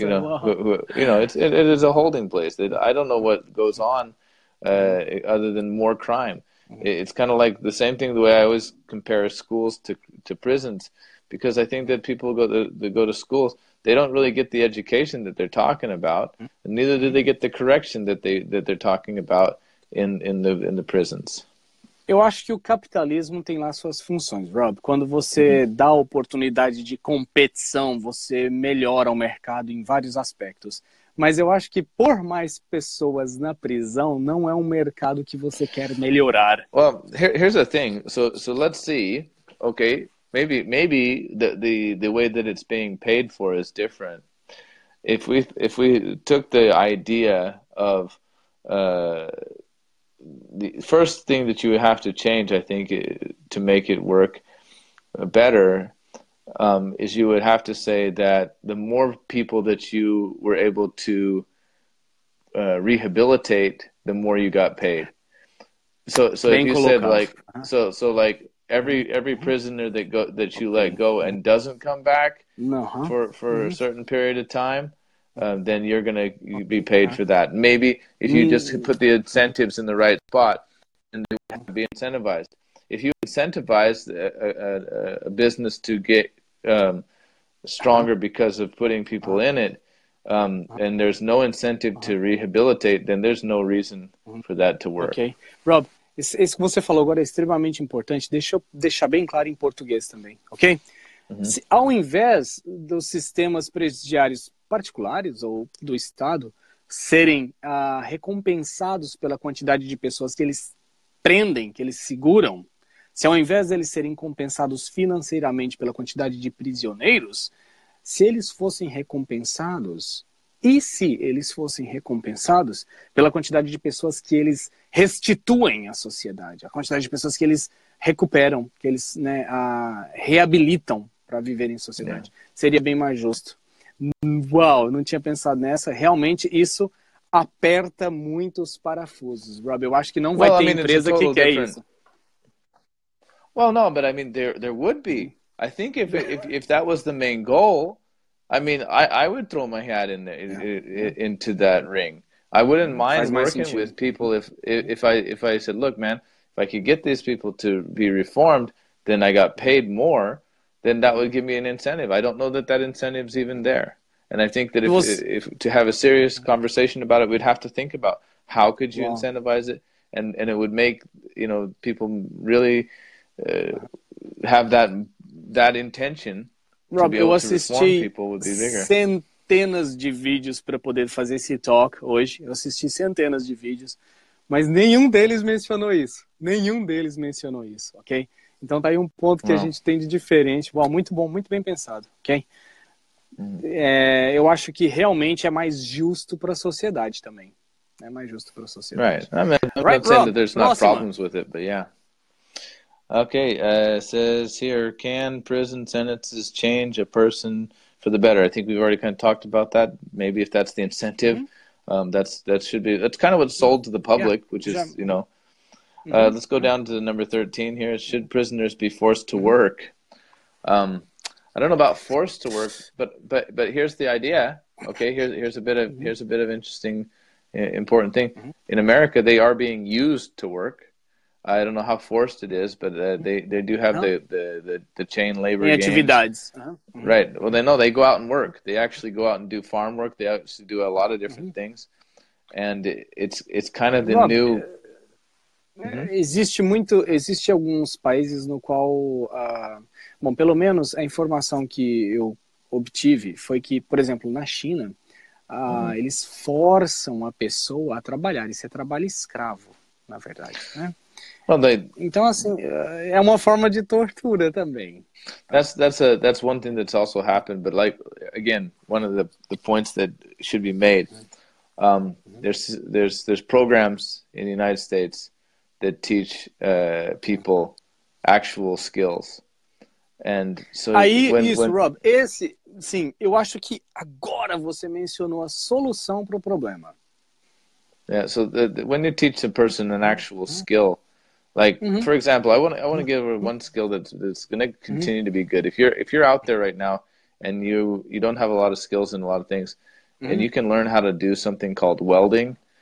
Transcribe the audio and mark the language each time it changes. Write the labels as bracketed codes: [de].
[en] You know, it is a holding place. I don't know what goes on other than more crime. Mm-hmm. It's kind of like the same thing, the way I always compare schools to prisons, because I think that people go to schools, they don't really get the education that they're talking about, mm-hmm. and neither do they get the correction that they're talking about in the prisons. [pt] Eu acho que o capitalismo tem lá suas funções, Rob. Quando você dá oportunidade de competição, você melhora o mercado em vários aspectos. Mas eu acho que pôr mais pessoas na prisão não é um mercado que você quer melhorar. [en] Well, here's the thing. So let's see. Okay, maybe the way that it's being paid for is different. If we took the idea of the first thing that you have to change, I think, to make it work better, is you would have to say that the more people that you were able to rehabilitate, the more you got paid. So if you said like, so like every prisoner that you let go and doesn't come back for a certain period of time, then you're going to be paid for that. Maybe if you just put the incentives in the right spot, then they would have to be incentivized. If you incentivize a business to get stronger because of putting people in it, and there's no incentive to rehabilitate, then there's no reason for that to work. [pt] Okay, Rob, isso que você falou agora é extremamente importante. Deixa eu deixar bem claro em português também, ok? Uhum. Se, ao invés dos sistemas presidiários particulares ou do Estado serem recompensados pela quantidade de pessoas que eles prendem, que eles seguram, se ao invés deles serem compensados financeiramente pela quantidade de prisioneiros, se eles fossem recompensados, e se eles fossem recompensados pela quantidade de pessoas que eles restituem à sociedade, a quantidade de pessoas que eles recuperam, que eles reabilitam para viver em sociedade, seria bem mais justo. Uau, não tinha pensado nessa. Realmente, isso aperta muito os parafusos, Rob. Eu acho que não vai ter empresa que quer isso. [en] Well, no, but I mean, there would be. I think if that was the main goal, I mean, I would throw my hat into that ring. I wouldn't mind working with people if I said, look, man, if I could get these people to be reformed, then I got paid more. Then that would give me an incentive. I don't know that incentive's even there. And I think that if to have a serious conversation about it, we'd have to think about how could you incentivize it, and it would make, you know, people really have that intention. Rob, to be able [pt] eu assisti centenas de vídeos para poder fazer esse talk hoje. Eu assisti centenas de vídeos, mas nenhum deles mencionou isso. Nenhum deles mencionou isso, ok? Então, tá aí um ponto que a gente tem de diferente. Uau, muito bom, muito bem pensado, ok? Uhum. Eu acho que realmente é mais justo para a sociedade também. É mais justo para a sociedade. [en] Right. I mean, I'm not saying that there's not problems with it, but yeah. Okay, it says here, can prison sentences change a person for the better? I think we've already kind of talked about that. Maybe if that's the incentive, that's kind of what's sold to the public, which is, you know, Let's go down to number 13 here. Should prisoners be forced to work? I don't know about forced to work, but here's the idea. Okay, here's a bit of interesting, important thing. In America, they are being used to work. I don't know how forced it is, but they do have the chain labor. [pt] Yeah, atividades. [en] Right. Well, they know they go out and work. They actually go out and do farm work. They actually do a lot of different things, and it's kind of the new. [pt] Existe alguns países no qual, bom, pelo menos a informação que eu obtive foi que, por exemplo, na China, eles forçam a pessoa a trabalhar. Isso é trabalho escravo, na verdade, né? [en] Well, they, [pt] então, assim, é uma forma de tortura também. [en] That's one thing that's also happened, but like, again, one of the points that should be made, there's programs in the United States that teach people actual skills. And so [pt] aí, Rob, esse, sim, eu acho que agora você mencionou a solução para o problema. [en] Yeah, so when you teach a person an actual skill, like for example, I want to give her one skill that's going to continue to be good. If you're out there right now and you don't have a lot of skills in a lot of things, and you can learn how to do something called welding.